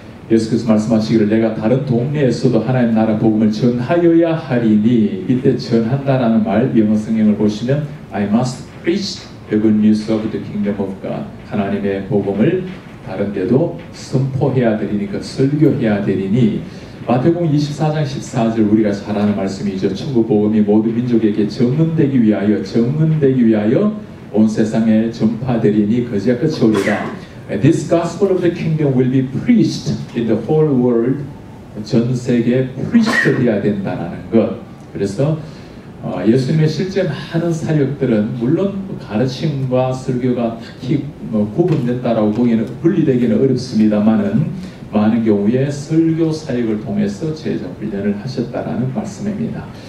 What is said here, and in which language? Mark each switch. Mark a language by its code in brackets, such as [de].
[ko] 예수께서 말씀하시기를 내가 다른 동네에서도 하나님 나라 복음을 전하여야 하리니 이때 전한다라는 말 영어 성경을 보시면 [en] I must preach the good news of the kingdom of God [ko] 하나님의 복음을 다른 데도 선포해야 되니까 설교해야 되니 마태복음 24장 14절 우리가 잘 아는 말씀이죠. 천국 복음이 모든 민족에게 전문되기 위하여 온 세상에 전파되리니 그제야 끝이 오리라. [en] This gospel of the kingdom will be preached in the whole world. [ko] 전 세계에 preached 해야 된다라는 것. 그래서 예수님의 실제 많은 사역들은 물론 가르침과 설교가 딱히 구분됐다라고 보기에는 분리되기는 어렵습니다만은 많은 경우에 설교 사역을 통해서 제자 훈련을 하셨다라는 말씀입니다.